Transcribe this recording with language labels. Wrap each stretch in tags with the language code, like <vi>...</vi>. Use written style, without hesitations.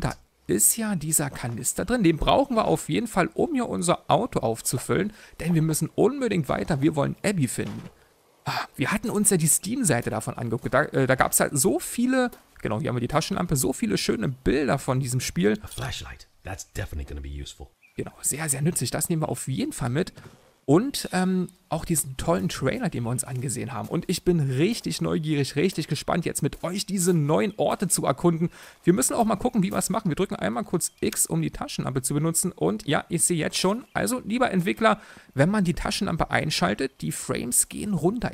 <de>Da ist ja dieser Kanister drin. Den brauchen wir auf jeden Fall, um hier unser Auto aufzufüllen. Denn wir müssen unbedingt weiter. Wir wollen Abby finden. Wir hatten uns ja die Steam-Seite davon angeguckt. Da gab es halt so viele... Genau, hier haben wir die Taschenlampe. So viele schöne Bilder von diesem Spiel.</de> <en>A flashlight. That's definitely gonna be useful.</en> <de>Genau, sehr, sehr nützlich. Das nehmen wir auf jeden Fall mit. Und auch diesen tollen Trailer, den wir uns angesehen haben. Und ich bin richtig neugierig, richtig gespannt, jetzt mit euch diese neuen Orte zu erkunden. Wir müssen auch mal gucken, wie wir es machen. Wir drücken einmal kurz X, um die Taschenlampe zu benutzen. Und ja, ich sehe jetzt schon, also lieber Entwickler, wenn man die Taschenlampe einschaltet, die Frames gehen runter.</de>